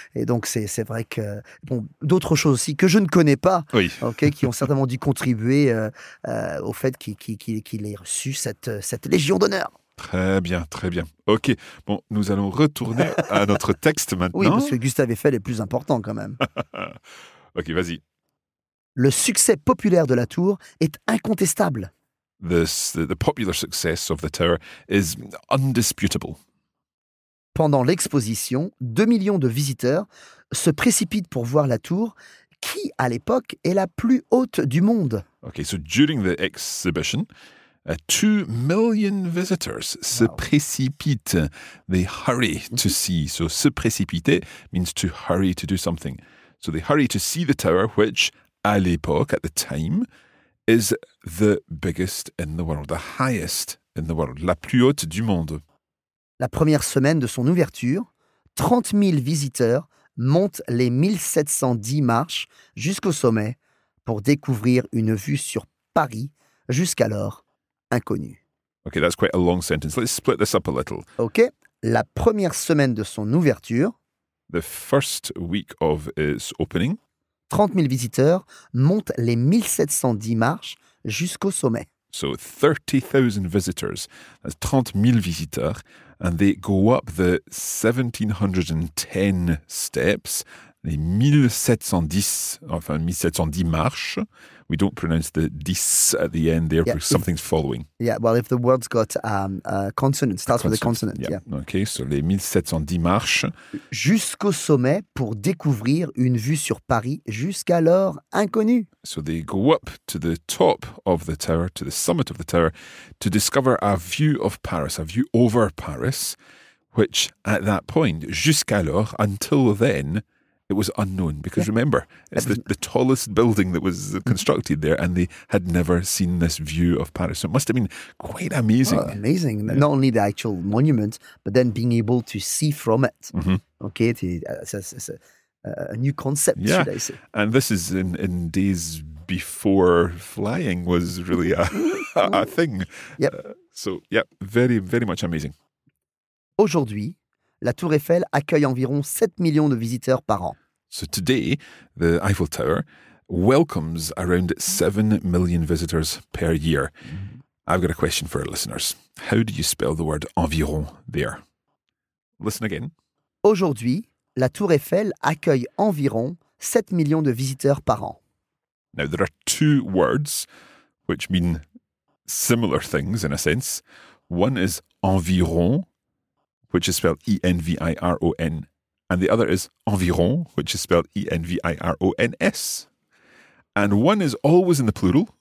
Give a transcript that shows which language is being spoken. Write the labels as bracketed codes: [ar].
[fr] Et donc, c'est vrai que... Bon, d'autres choses aussi que je ne connais pas, qui ont certainement dû contribuer au fait qu'il ait reçu cette Légion d'honneur. Très bien, très bien. Ok, bon, nous allons retourner à notre texte maintenant. Oui, parce que Gustave Eiffel est plus important quand même. Ok, vas-y. Le succès populaire de la tour est incontestable. [en] The popular success of the tower is indisputable. [fr] Pendant l'exposition, 2 millions de visiteurs se précipitent pour voir la tour qui, à l'époque, est la plus haute du monde. [en] Ok, so during the exhibition... 2 million visitors [fr] se précipitent. [en] They hurry to see. So, [fr] se précipiter [en] means to hurry to do something. So, they hurry to see the tower, which, [fr] à l'époque, [en] at the time, is the biggest in the world, the highest in the world, [fr] la plus haute du monde. La première semaine de son ouverture, 30 000 visiteurs montent les 1710 marches jusqu'au sommet pour découvrir une vue sur Paris jusqu'alors. Inconnu. [en] Okay, that's quite a long sentence. Let's split this up a little. [fr] Okay, la première semaine de son ouverture. [en] The first week of its opening. [fr] 30 000 visiteurs montent les 1710 marches jusqu'au sommet. [en] So 30,000 visitors. That's [fr] 30 000 visiteurs. [en] And they go up the 1710 steps. [fr] Les 1710 marches. [en] We don't pronounce the dis at the end there, because something's following. Yeah, well, if the word's got a consonant, starts with a consonant. Yeah. [fr] Okay, so les 1710 marches. Jusqu'au sommet pour découvrir une vue sur Paris jusqu'alors inconnue. [en] So they go up to the top of the tower, to the summit of the tower, to discover a view of Paris, a view over Paris, which at that point, [fr] jusqu'alors, [en] until then... It was unknown, because remember, it's the tallest building that was constructed there, and they had never seen this view of Paris. So it must have been quite amazing. Oh, amazing. Yeah. Not only the actual monument, but then being able to see from it. Mm-hmm. Okay, it's a new concept, should I say. And this is in days before flying was really a thing. Yep. Very, very much amazing. [fr] Aujourd'hui, la Tour Eiffel accueille environ 7 millions de visiteurs par an. [en] So today, the Eiffel Tower welcomes around 7 million visitors per year. I've got a question for our listeners. How do you spell the word environ there? Listen again. [fr] Aujourd'hui, la Tour Eiffel accueille environ 7 millions de visiteurs par an. [en] Now, there are two words which mean similar things in a sense. One is environ, which is spelled E-N-V-I-R-O-N, and the other is environ, which is spelled E-N-V-I-R-O-N-S. And one is always in the plural,